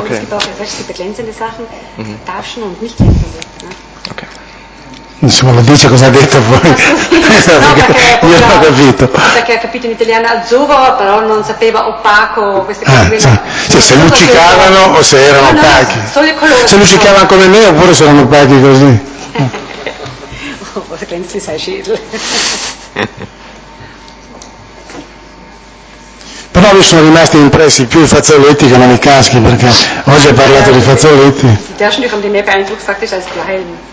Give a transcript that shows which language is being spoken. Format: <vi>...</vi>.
<de>Und es gibt auch verschiedene glänzende Sachen, Taschen und nicht glänzende. Ne? Okay.</de> <it>Insomma, lo dice cosa ha detto poi. No, perché, io non ho capito. Perché ha capito in italiano azzurro, però non sapeva opaco queste cose. Cioè, se luccicavano o se erano opachi. No, solo i colori. Se luccicavano come me oppure se erano opachi così. Forse credo si sa scegliere. Però mi sono rimasti impressi più i fazzoletti che non i caschi, perché oggi ha parlato di fazzoletti.</it> <de>I taschen, die haben die mehr beeindruckt, faktisch, als die Helm.</de>